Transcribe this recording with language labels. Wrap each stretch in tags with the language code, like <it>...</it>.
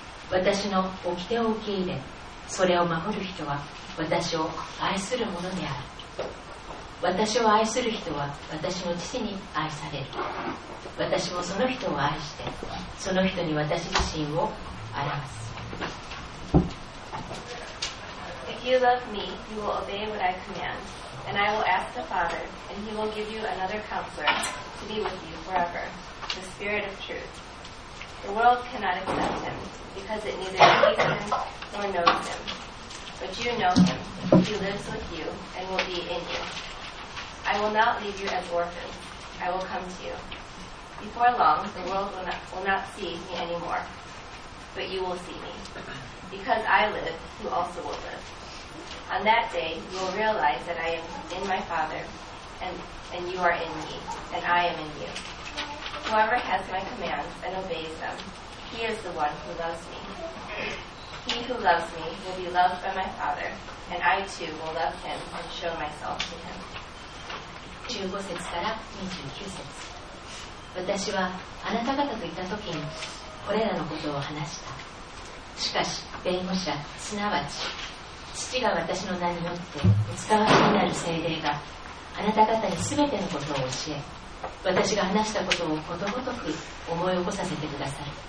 <ja>私の掟を受け入れ、それを守る人は私を愛するものである。私を愛する人は私の父に愛される。私もその人を愛して、その人に私自身を表す。</ja> <en>If you love me, you will obey what I command, and I will ask the Father, and he will give you another counselor to be with you forever, the Spirit of truth. The world cannot accept him, because it neither sees him nor knows him. But you know him, he lives with you and will be in you. I will not leave you as orphans, I will come to you. Before long, the world will not see me anymore, but you will see me. Because I live, you also will live. On that day, you will realize that I am in my Father, and you are in me, and I am in you. Whoever has my commands and obeys them, he is the one who loves me. He who loves me will be loved by my Father, and I too will love him and show myself to him.</en> <ja>15節から29節。私はあなた方といたときにこれらのことを話した。しかし弁護者、すなわち父が私の名によってお使わせになる聖霊があなた方にすべてのことを教え、私が話したことをことごとく思い起こさせてください。</ja>